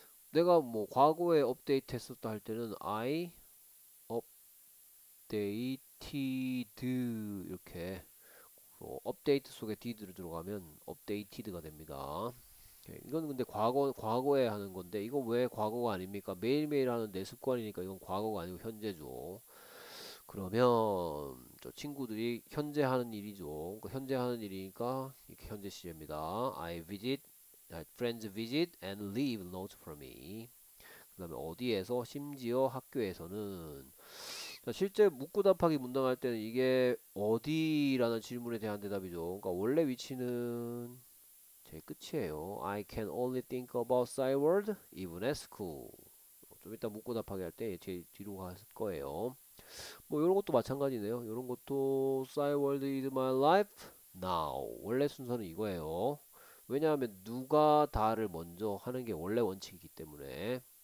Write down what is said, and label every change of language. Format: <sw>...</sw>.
<ko>내가 뭐 과거에 업데이트 했었다 할 때는</ko> <en>I updated</en> <ko>이렇게 업데이트 속에 did로 들어가면 업데이티드가 됩니다. 이건 근데 과거에 하는 건데 이거 왜 과거가 아닙니까? 매일매일 하는 내 습관이니까 이건 과거가 아니고 현재죠. 그러면 저 친구들이 현재 하는 일이죠. 현재 하는 일이니까 이렇게 현재 시제입니다.</ko> <en>I visit, friends visit and leave notes for me.</en> <ko>그다음에 어디에서 심지어 학교에서는 실제 묻고 답하기 문답할 때는 이게 어디라는 질문에 대한 대답이죠. 그러니까 원래 위치는 제일 끝이에요.</ko> <en>I can only think about Cyworld even at school.</en> <ko>좀 이따 묻고 답하기 할때 제일 뒤로 갔을 거예요. 뭐 이런 것도 마찬가지네요. 이런 것도</ko> <en>Cyworld is my life now.</en> <ko>원래 순서는 이거예요. 왜냐하면 누가 다를 먼저 하는 게 원래 원칙이기 때문에.</ko>